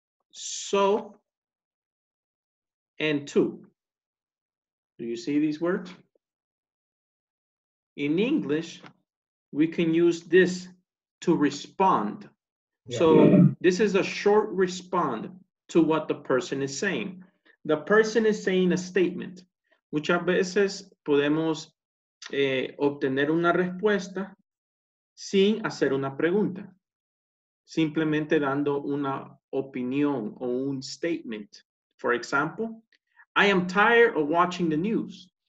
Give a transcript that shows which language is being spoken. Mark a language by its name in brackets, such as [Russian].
[English] So and too. Do you see these words? In English, we can use this to respond. Yeah. So this is a short response to what the person is saying. The person is saying a statement. [Spanish] Muchas veces podemos obtener una respuesta sin hacer una pregunta, simplemente dando una opinión o un statement. [English] For example, I am tired of watching the news.